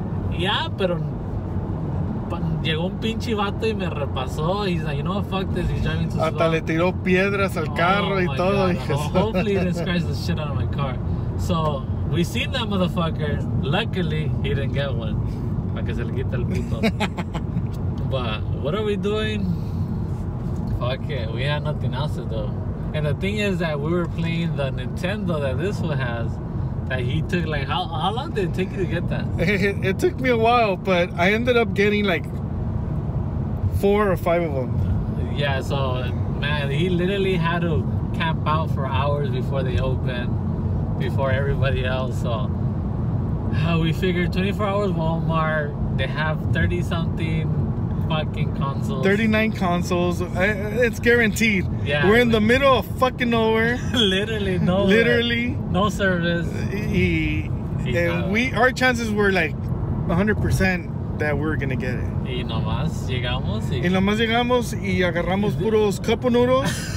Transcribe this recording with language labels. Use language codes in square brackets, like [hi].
[es] Yeah, pero llegó un pinche vato y me repasó. [en] He's like, you know what, fuck this. He's driving too slow. [es] Hasta le tiró piedras al carro y todo. [en] Hopefully he didn't scratch the shit out of my car. So we seen that motherfucker. Luckily, he didn't get one. [es] Para que se le quita el puto. [en] But what are we doing? Fuck it. We had nothing else to do. And the thing is that we were playing the Nintendo that this one has. That he took. Like, how long did it take you to get that? It took me a while. But I ended up getting like 4 or 5 of them. Yeah. So, man, he literally had to camp out for hours before they opened. Before everybody else. So, we figured 24 hours Walmart. They have 30 something. Fucking consoles. 39 consoles. It's guaranteed. Yeah. We're in the middle of fucking nowhere. Literally nowhere. Literally. No service. Our chances were like 100% that we're going to get it. [es] Y nomás llegamos. Y nomás llegamos y agarramos puros cup noodles.